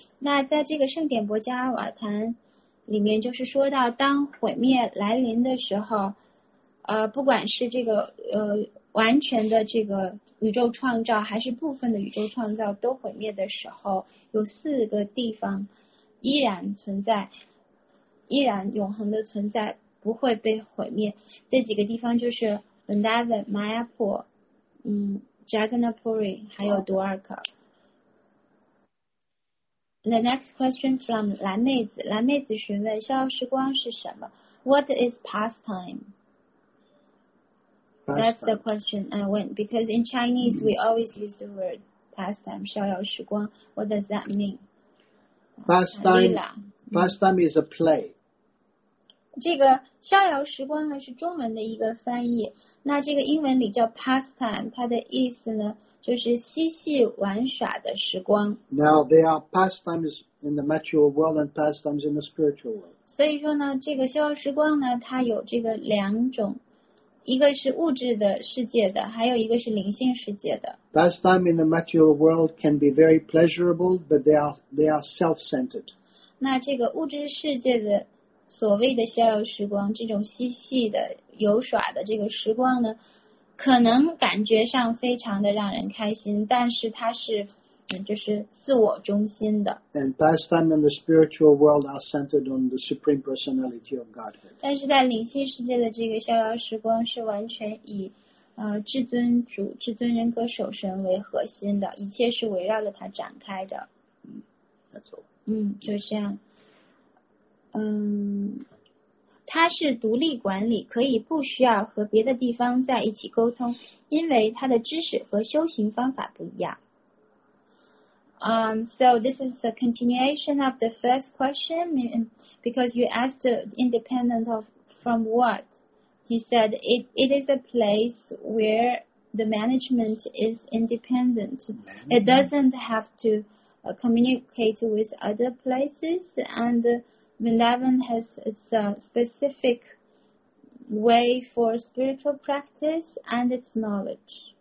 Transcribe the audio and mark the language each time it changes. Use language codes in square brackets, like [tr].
[zh] 那在这个圣典博迦瓦坛里面，就是说到当毁灭来临的时候，不管是这个完全的这个宇宙创造，还是部分的宇宙创造都毁灭的时候，有四个地方依然存在，依然永恒的存在，不会被毁灭。这几个地方就是 Vrindavan, Mayapur. Jagannath Puri, 还有 Dwarka. [en] The next question from 蓝妹子。 [zh] 蓝妹子询问逍遥时光是什么？ [en] What is pastime? That's the question I went, because in Chinese we always use the word pastime, 逍遥时光。 What does that mean? Pastime is a play. [zh] 这个逍遥时光呢是中文的一个翻译，那这个英文里叫 pastime， 它的意思呢就是嬉戏玩耍的时光。 [en] Now there are pastimes in the material world and pastimes in the spiritual world. [zh] 所以说呢，这个逍遥时光呢，它有这个两种，一个是物质的世界的，还有一个是灵性世界的。 [en] Pastime in the material world can be very pleasurable, but they are self-centered. [zh] 那这个物质世界的所谓的逍遥时光，这种嬉戏的游耍的这个时光呢，可能感觉上非常的让人开心，但是它是就是自我中心的。 [en] And pastime in the spiritual world are centered on the supreme personality of Godhead. [zh] 但是在灵性世界的这个逍遥时光是完全以至尊主、至尊人格守神为核心的，一切是围绕着它展开的。 [en] That's all. [zh] 就这样。它是独立管理，可以不需要和别的地方在一起沟通，因为它的知识和修行方法不一样。 [en] So this is a continuation of the first question, because you asked independent of from what? He said it is a place where the management is independent. Mm-hmm. It doesn't have to communicate with other places and Vrindavan has its specific way for spiritual practice and its knowledge.